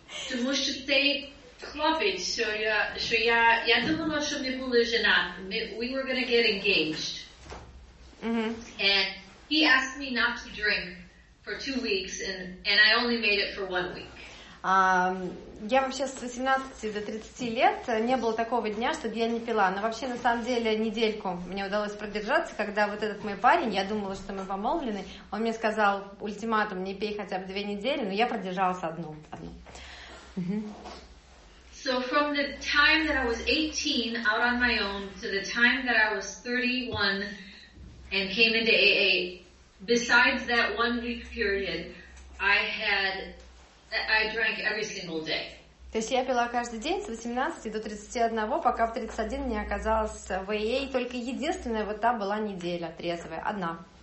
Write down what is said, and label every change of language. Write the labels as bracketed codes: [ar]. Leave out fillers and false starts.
[uk] Тому що цей хлопець, що я думала, що ми були женати. [en] We were gonna get engaged. Mm-hmm. And he asked me not to drink for 2 weeks, and I only made it for 1 week. [ru] Я вообще с 18 до 30 лет не было такого дня, чтобы я не пила. Но вообще, на самом деле, недельку мне удалось продержаться, когда вот этот мой парень, я думала, что мы помолвлены, он мне сказал ультиматум, не пей хотя бы 2 недели, но я продержалась одну. [en] So from the time that I was 18 out on my own to the time that I was 31 and came into AA, besides that 1 week period, I drank every single day. [ru] То есть я пила каждый день с 18 до 31, пока в 31 не оказалась в AA, только единственная вот та была неделя трезвая, одна.